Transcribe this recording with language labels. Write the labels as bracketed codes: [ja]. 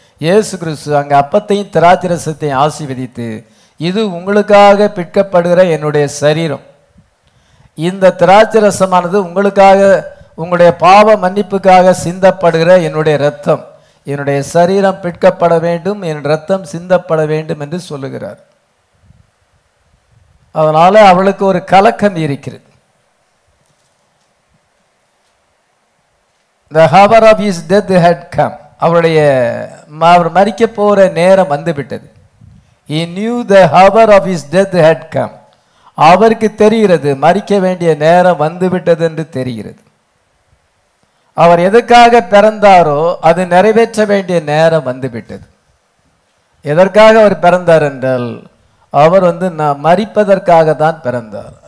[ta] இயேசு கிறிஸ்து அங்கே அப்பத்தையும் திராட்சரசத்தையும் ஆசீர்வதித்து, இது உங்களுக்காக பிட்கப்படுகிற என்னுடைய சரீரம், இந்த திராட்சரசமானது உங்களுக்காக உங்களுடைய பாவ மன்னிப்புக்காக சிந்தப்படுகிற என்னுடைய இரத்தம், என்னுடைய சரீரம் பிட்கப்பட வேண்டும், என் இரத்தம் சிந்தப்பட வேண்டும் என்று சொல்லுகிறார். அதனால அவளுக்கு ஒரு கலக்கம் இருக்கிறது. [en] The hour of his death had come. [ta] அவருடைய அவர் மரிக்க போகிற நேரம் வந்துவிட்டது. [en] He knew the hour of his death had come. [ta] அவருக்கு தெரிகிறது மரிக்க வேண்டிய நேரம் வந்துவிட்டது என்று தெரிகிறது. அவர் எதற்காக பிறந்தாரோ அது நிறைவேற்ற வேண்டிய நேரம் வந்துவிட்டது. எதற்காக அவர் பிறந்தார் என்றால், அவர் வந்து நான் மரிப்பதற்காக தான் பிறந்தார்.